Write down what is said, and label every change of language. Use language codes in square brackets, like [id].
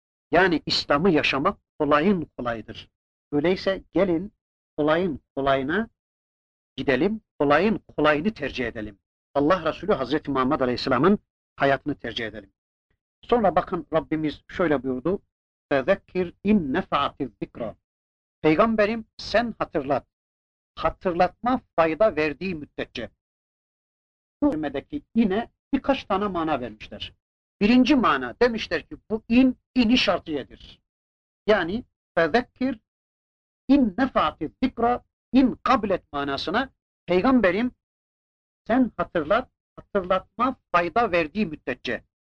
[tr] Yani İslam'ı yaşamak kolayın kolayıdır. Öyleyse gelin kolayın kolayına gidelim, kolayın kolayını tercih edelim. Allah Resulü Hazreti Muhammed Aleyhisselam'ın hayatını tercih edelim. Sonra bakın Rabbimiz şöyle buyurdu. [ar] فَذَكِّرْ اِنْ نَفَعَتِ الذِّكْرَ [tr] Peygamberim sen hatırlat. Hatırlatma fayda verdiği müddetçe. Bu kelimedeki yine birkaç tane mana vermişler. Birinci mana demişler ki bu ini şartiyedir. Yani [ar] فَذَكِّرْ اِنْ نَفَعَتِ الذِّكْرَ اِنْ قَبْلَتْ [tr] manasına Peygamberim sen hatırlat, hatırlatma fayda verdiği müddetçe.